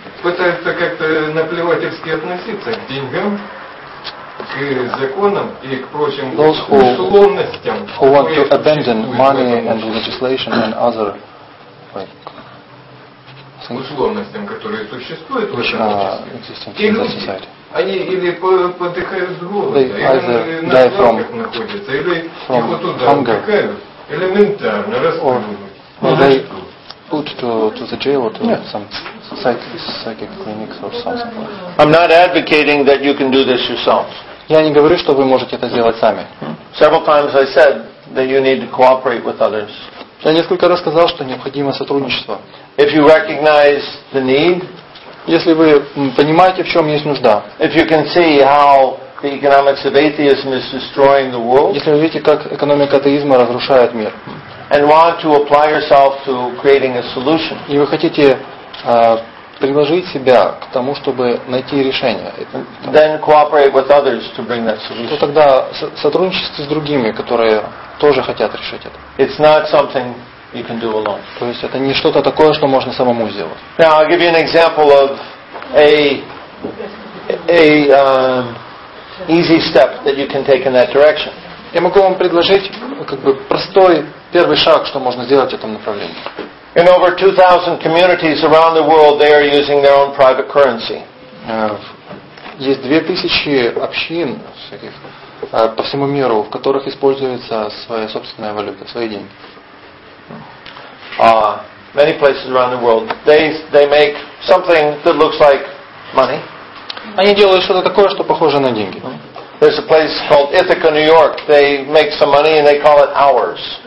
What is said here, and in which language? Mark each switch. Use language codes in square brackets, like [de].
[ru] пытаются как-то наплевательски относиться к деньгам, к законам и к прочим условностям. [en] Who want to abandon money and legislation and other like [ru] условностям, которые существуют в этом обществе. Они или подыхают с голода, или на слабках находятся, или их вот туда [en] hunger. [ru] Упекают, элементарно распугивают. Или [en] put to the jail or to some psychic clinics or something. I'm not advocating that you can do this yourself. [ru] Я не говорю, что вы можете это сделать сами. [en] Several times I said that you need to cooperate with others. [ru] Я несколько раз сказал, что необходимо сотрудничество. [en] If you recognize the need, [ru] если вы понимаете, в чем есть нужда, [en] if you can see how the economics of atheism is destroying the world, [ru] если вы видите, как экономика атеизма разрушает мир, [en] and want to apply yourself to creating a solution, [ru] и вы хотите приложить себя к тому, чтобы найти решение, [en] then cooperate with others to bring that solution. [ru] То тогда сотрудничайте с другими, которые тоже хотят решить это. [en] It's not something you can do alone. [ru] То есть это не что-то такое, что можно самому сделать. [en] Now I'll give you an example of an easy step that you can take in that direction. [ru] Я могу вам предложить как бы простой первый шаг, что можно сделать в этом направлении. [en] In over 2,000 communities around the world, they are using their own private currency. [ru] Есть 2,000 общин по всему миру, в которых используется своя собственная валюта, свои деньги. [en] Many places around the world, they make something that looks like money. [ru] Они делают что-то такое, что похоже на деньги. [en] There's a place called Ithaca, New York. They make some money and they call it ours.